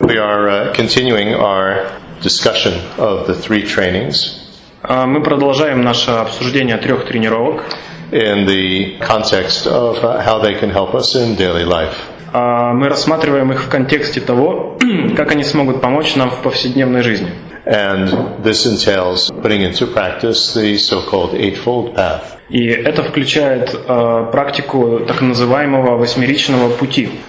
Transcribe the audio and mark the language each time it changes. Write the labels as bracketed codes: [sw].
[en] We are continuing our discussion of the three trainings. [ru] Мы продолжаем наше обсуждение трех тренировок. [en] In the context of how they can help us in daily life. [ru] Мы рассматриваем их в контексте того, как они смогут помочь нам в повседневной жизни. [en] And this entails putting into practice the so-called eightfold path. [ru] И это включает практику так называемого восьмеричного пути.